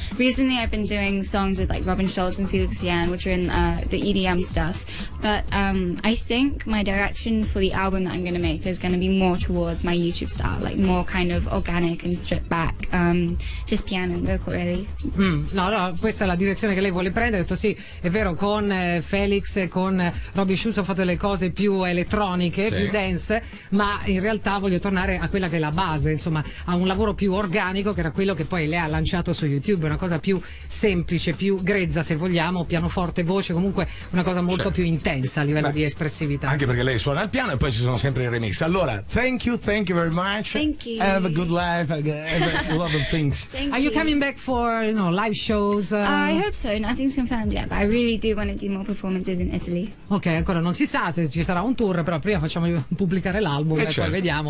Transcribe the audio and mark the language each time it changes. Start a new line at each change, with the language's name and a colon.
English: Recently I've been doing songs with like Robin Schulz and Felix Yan, which are in the EDM stuff, but I think my direction for the album that I'm going to make is going to be more towards my YouTube style, like more kind of organic and stripped back, just piano and vocal really.
Italian: No, questa è la direzione che lei vuole prendere. Ho detto sì, è vero, con Felix e con Robin Schulz ho fatto le cose più elettroniche, sì, più dense, ma in realtà voglio tornare a quella che è la base, insomma, a un lavoro più organico, che era quello che poi lei ha lanciato su YouTube, una cosa più semplice, più grezza se vogliamo, pianoforte, voce, comunque una cosa molto più intensa a livello di espressività. Anche perché lei suona il piano e poi ci sono sempre i remix. Allora,
English: thank you very much. Thank you. Have a good life, have a lot of things. Thank Are you coming back for, you know, live shows? I hope so, nothing's confirmed yet, but I really do want to do more performances in Italy.
Italian: Ok, ancora non si sa se ci sarà un tour, però prima facciamo pubblicare l'album e poi vediamo.